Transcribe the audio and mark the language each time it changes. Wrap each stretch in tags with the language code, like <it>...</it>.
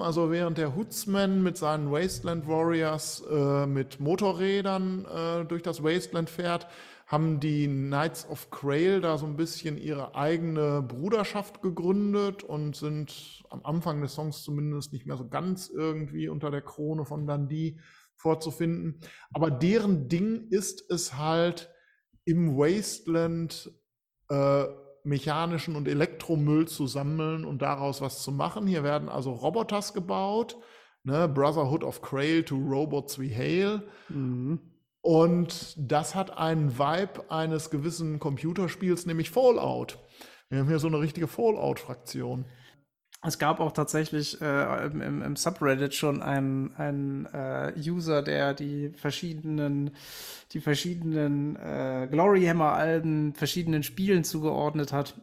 <de>Also während der Hootsman mit seinen Wasteland Warriors mit Motorrädern durch das Wasteland fährt, haben die Knights of Crail da so ein bisschen ihre eigene Bruderschaft gegründet und sind am Anfang des Songs zumindest nicht mehr so ganz irgendwie unter der Krone von Dundee vorzufinden. Aber deren Ding ist es halt, im Wasteland mechanischen und Elektromüll zu sammeln und daraus was zu machen. Hier werden also Roboters gebaut, ne?</de> <en>Brotherhood of Crail to Robots We Hail.</en> <de>Und das hat einen Vibe eines gewissen Computerspiels, nämlich Fallout. Wir haben hier so eine richtige Fallout-Fraktion. Es gab auch tatsächlich im Subreddit schon einen User, der die verschiedenen Gloryhammer-Alben verschiedenen Spielen zugeordnet hat.</de>